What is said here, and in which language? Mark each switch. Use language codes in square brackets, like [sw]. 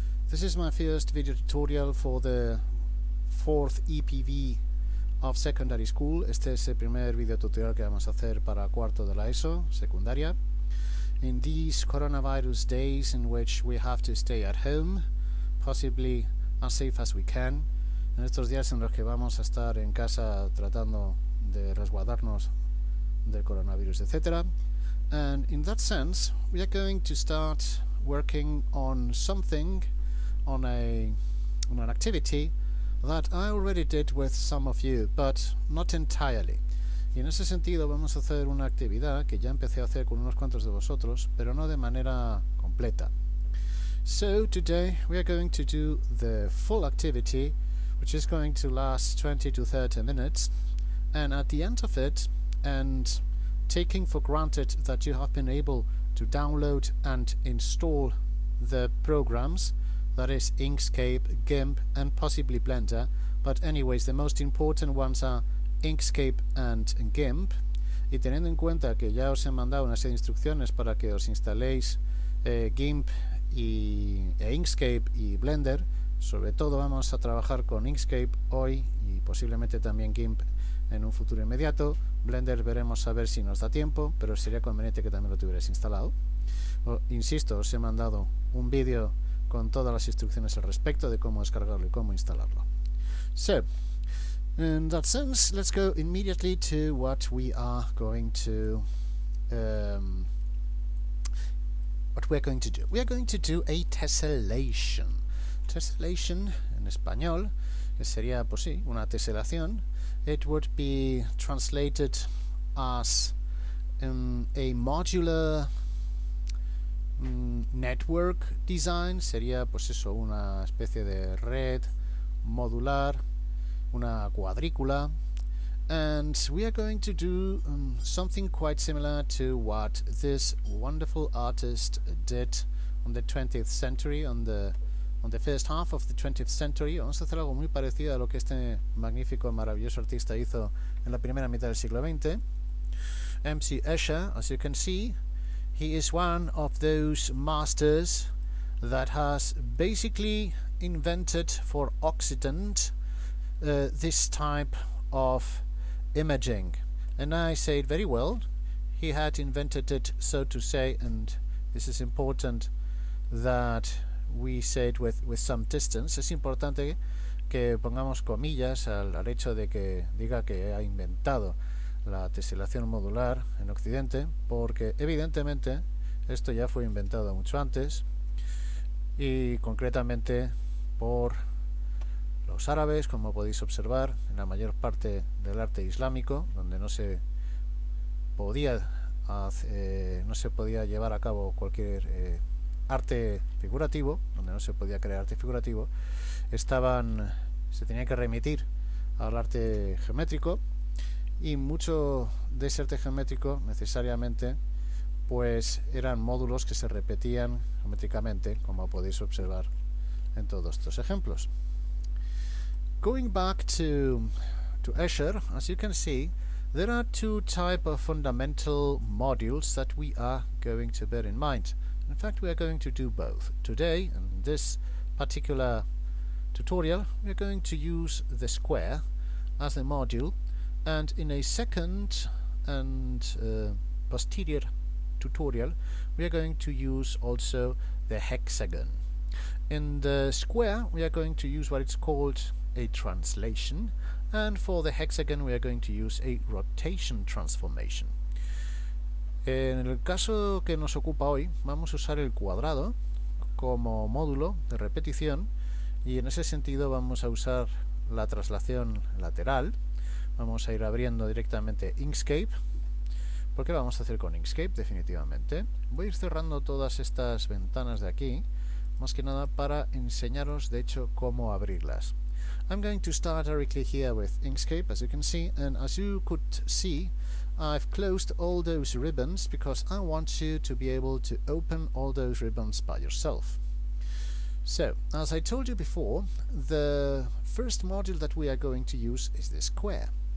[en] This is my first video tutorial for the fourth EPV of secondary school. [es] Este es el primer video tutorial que vamos a hacer para cuarto de la ESO, secundaria. [en] In these coronavirus days in which we have to stay at home, possibly as safe as we can, [es] en estos días en los que vamos a estar en casa tratando de resguardarnos del coronavirus, etc. [en] And in that sense, we are going to start working on something, on an activity that I already did with some of you, but not entirely. [es] Y en ese sentido vamos a hacer una actividad que ya empecé a hacer con unos cuantos de vosotros, pero no de manera completa. [en] So today we are going to do the full activity, which is going to last 20 to 30 minutes, and at the end of it, and taking for granted that you have been able to download and install the programs, that is Inkscape, GIMP, and possibly Blender, but anyways, the most important ones are Inkscape and GIMP. [es] Y teniendo en cuenta que ya os he mandado una serie de instrucciones para que os instaléis GIMP e Inkscape y Blender, sobre todo vamos a trabajar con Inkscape hoy y posiblemente también GIMP en un futuro inmediato. Blender veremos a ver si nos da tiempo, pero sería conveniente que también lo tuvierais instalado. Insisto, os he mandado un vídeo con todas las instrucciones al respecto de cómo descargarlo y cómo instalarlo. [en] So, in that sense, let's go immediately to what we are going to do. We are going to do a tessellation. [es] Tessellation en español, que sería, pues sí, una teselación. [en] It would be translated as a modular network design. [es] Sería, pues eso, una especie de red modular, una cuadrícula. [en] And we are going to do something quite similar to what this wonderful artist did on the 20th century, on the first half of the 20th century. [es] Vamos a hacer algo muy parecido a lo que este magnífico, maravilloso artista hizo en la primera mitad del siglo XX. [en] M.C. Escher, as you can see, he is one of those masters that has basically invented for Occident this type of imaging. And I say it very well. He had invented it, so to say, and this is important that we say it with some distance. [es] Es importante que pongamos comillas al hecho de que diga que ha inventado la teselación modular en Occidente, porque evidentemente esto ya fue inventado mucho antes, y concretamente por los árabes, como podéis observar, en la mayor parte del arte islámico, donde no se podía llevar a cabo cualquier arte figurativo, donde no se podía crear arte figurativo, se tenía que remitir al arte geométrico, y mucho de ese arte geométrico necesariamente pues eran módulos que se repetían geométricamente, como podéis observar en todos estos ejemplos. [en] Going back to Escher, as you can see, there are two type of fundamental modules that we are going to bear in mind. In fact, we are going to do both. Today, in this particular tutorial, we are going to use the square as a module, and in a second and posterior tutorial, we are going to use also the hexagon. In the square, we are going to use what it's called a translation, and for the hexagon, we are going to use a rotation transformation. [es] En el caso que nos ocupa hoy, vamos a usar el cuadrado como módulo de repetición, y en ese sentido vamos a usar la traslación lateral. Vamos a ir abriendo directamente Inkscape, porque vamos a hacer con Inkscape definitivamente. Voy a ir cerrando todas estas ventanas de aquí, más que nada para enseñaros de hecho cómo abrirlas. [en] I'm going to start directly here with Inkscape, as you can see, and as you could see, I've closed all those ribbons because I want you to be able to open all those ribbons by yourself. So, as I told you before, the first module that we are going to use is the square.